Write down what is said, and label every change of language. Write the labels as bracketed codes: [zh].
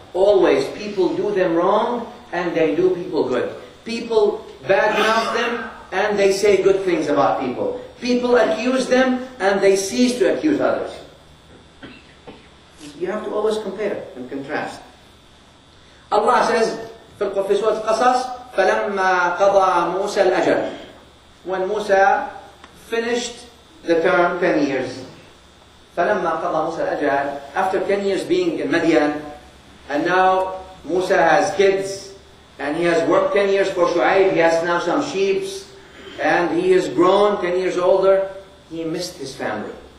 [en] Always people do them wrong and they do people good. People badmouth them and they say good things about people. People accuse them and they cease to accuse others. You have to always compare and contrast. Allah says, [ar] في سورة القصص, فَلَمَّا قَضَى مُوسَى الْأَجَلِ. [en] When Musa finished the term 10 years, [ar] فَلَمَّا قَضَى مُوسَى الْأَجَلِ, [en] after 10 years being in Madian, and now Musa has kids, and he has worked 10 years for Shu'aib, he has now some sheep, and he is grown 10 years older, he missed his family.